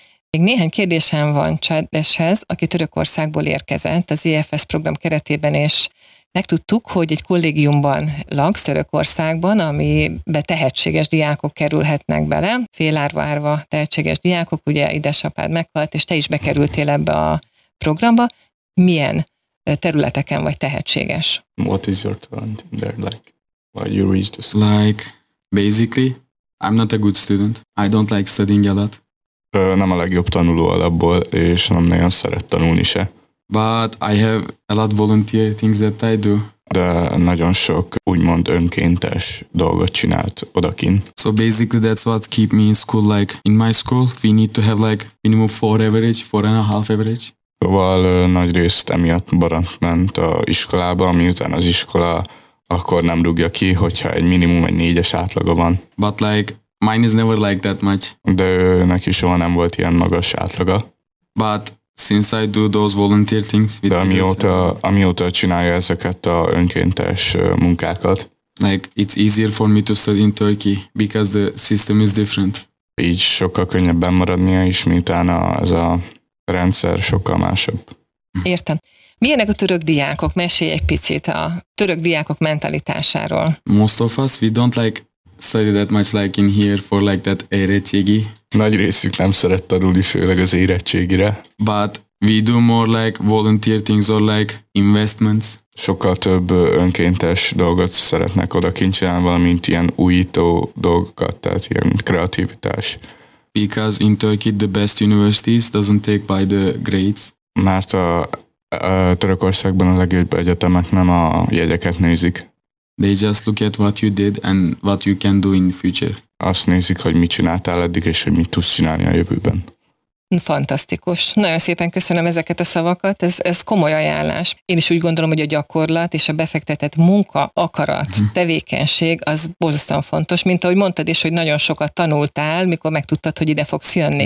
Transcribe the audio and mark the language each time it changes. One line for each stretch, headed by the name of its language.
Hungarian: Még néhány kérdésem van Csadáshoz, aki Törökországból érkezett az EFS program keretében, és megtudtuk, hogy egy kollégiumban laksz Törökországban, amibe tehetséges diákok kerülhetnek bele, félárva-árva tehetséges diákok, ugye idesapád meghalt, és te is bekerültél ebbe a programba. Milyen területeken vagy tehetséges?
English: What is your talent in there? Like, why you reach the school? Like, basically, I'm not a good student. I don't like studying a lot.
Hungarian: Nem a legjobb tanuló alapból, és nem nagyon szeret tanulni se.
English: But I have a lot volunteer things that I do.
Hungarian: De nagyon sok, úgymond önkéntes dolgot csinált odakin.
English: So basically that's what keep me in school. Like, in my school, we need to have like minimum 4 average, 4.5 average.
Hungarian: Szóval nagy részt emiatt barát ment a iskolába, miután az iskola akkor nem rúgja ki, hogyha egy minimum egy 4-es átlaga van.
English: But like, mine is never like that much.
Hungarian: De neki soha nem volt ilyen magas átlaga.
English: But since I do those volunteer things...
Hungarian: De amióta csinálja ezeket a önkéntes munkákat.
English: Like, it's easier for me to study in Turkey, because the system is different.
Hungarian: Így sokkal könnyebben maradnia is, miután az a rendszer sokkal másabb. Értem. Milyenek a török diákok? Mesélj egy picit a török diákok mentalitásáról.
English: Most of us, we don't like study that much like in here for like that érettségi.
Hungarian: Nagy részük nem szeret tanulni, főleg az érettségire.
English: But we do more like volunteer things or like investments.
Hungarian: Sokkal több önkéntes dolgot szeretnek oda kincsen, valamint ilyen újító dolgokat, tehát ilyen kreativitás.
English: Because in Turkey the best universities doesn't take by the grades.
Hungarian: Mert a Törökországban a legjobb egyetemek nem a jegyeket nézik.
English: They just look at what you did and what you can do in the future.
Hungarian: Azt nézik, hogy mit csináltál eddig, és hogy mit tudsz csinálni a jövőben. Fantasztikus. Nagyon szépen köszönöm ezeket a szavakat. Ez komoly ajánlás. Én is úgy gondolom, hogy a gyakorlat és a befektetett munka, akarat, tevékenység az borzasztóan fontos. Mint ahogy mondtad is, hogy nagyon sokat tanultál, mikor megtudtad, hogy ide fogsz jönni.